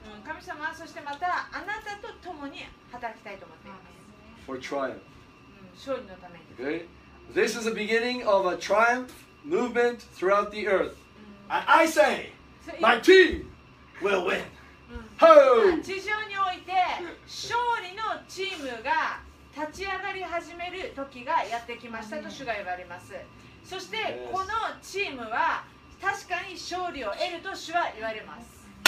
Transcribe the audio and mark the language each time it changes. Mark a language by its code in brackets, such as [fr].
[ja] 神様はそしてまたあなたと共に働きたいと思っています。 [en] For triumph. [ja] 勝利のために。 [en] Okay? This is the beginning of a triumph movement throughout the earth. And I say, my team will win. Ho! [ja] 地上において勝利のチームが立ち上がり始める時がやってきましたと主が言われます。そしてこのチームは確かに勝利を得ると主は言われます。